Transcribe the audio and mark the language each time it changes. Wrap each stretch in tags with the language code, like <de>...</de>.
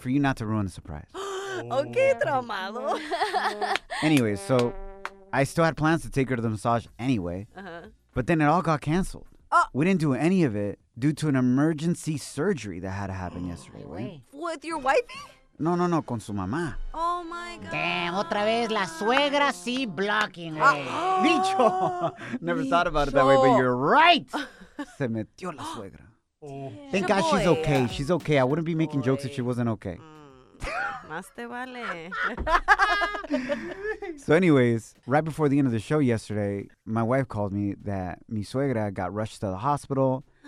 <en>For you not to ruin the surprise. Okay, traumado. Anyway, so I still had plans to take her to the massage anyway. Uh-huh. But then it all got canceled. Oh. We didn't do any of it due to an emergency surgery that had to happen yesterday, right? With your wifey?</en> <es>No, con su mamá.</es> <en>Oh, my God.</en> <es>Damn, otra vez, la suegra sí blocking, güey. Nicho.</es> <en>Never thought about it that way, but you're right.</en> <es>Se metió la suegra.</es> <en>Oh. Thank God she's okay. Yeah. She's okay. I wouldn't be making jokes if she wasn't okay.</en> <es>Más te vale.</es> <en>So anyways, right before the end of the show yesterday, my wife called me that</en> <es>mi suegra</es> <en>got rushed to the hospital.</en>